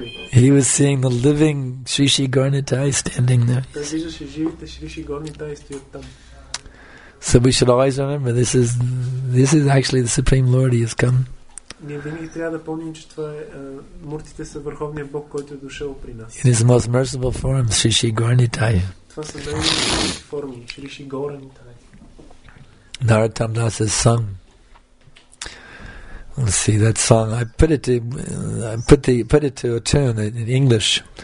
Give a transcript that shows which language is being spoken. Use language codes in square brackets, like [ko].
[en] He was seeing the living Sri Sri Gaura Nitya standing there. So we should always remember this is actually the Supreme Lord. He has come. [bg] Ние винаги трябва да помним, че това е муртите са върховния бог, който е дошъл при нас. [en] In his most merciful form, Sri Sri Gaura Nitya. [bg] Това са най-мерси форми, Sri Sri Gaura Nitya. [en] Narottam Das's song. Let's see that song. I put it to a tune in English.